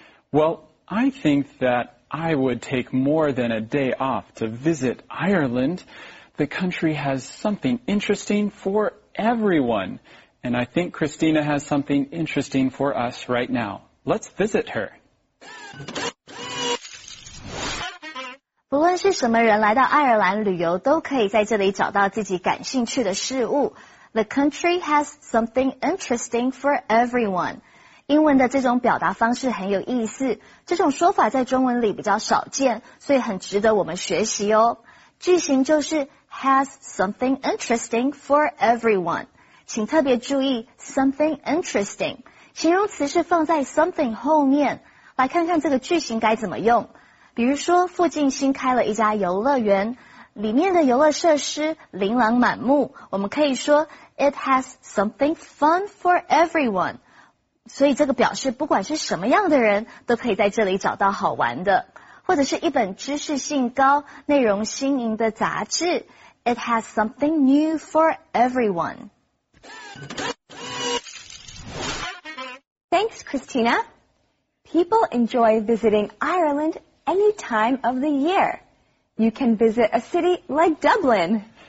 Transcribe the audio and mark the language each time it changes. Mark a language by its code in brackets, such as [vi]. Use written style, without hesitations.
[en] Well, I think that I would take more than a day off to visit Ireland. The country has something interesting for everyone. And I think Christina has something interesting for us right now. Let's visit her. [zh] 不论是什么人来到爱尔兰旅游都可以在这里找到自己感兴趣的事物。 [en] The country has something interesting for everyone. [zh] 英文的这种表达方式很有意思，这种说法在中文里比较少见，所以很值得我们学习哦。句型就是 [en] has something interesting for everyone. [zh] 请特别注意 [en] something interesting. [zh] 形容词是放在 something 后面。来看看这个句型该怎么用。比如说附近新开了一家游乐园，里面的游乐设施琳琅满目，我们可以说 [en] It has something fun for everyone. [zh] 所以这个表示不管是什么样的人都可以在这里找到好玩的。或者是一本知识性高、内容新颖的杂志。 It has something new for everyone. [en] Thanks, Christina. People enjoy visiting Ireland any time of the year. You can visit a city like Dublin.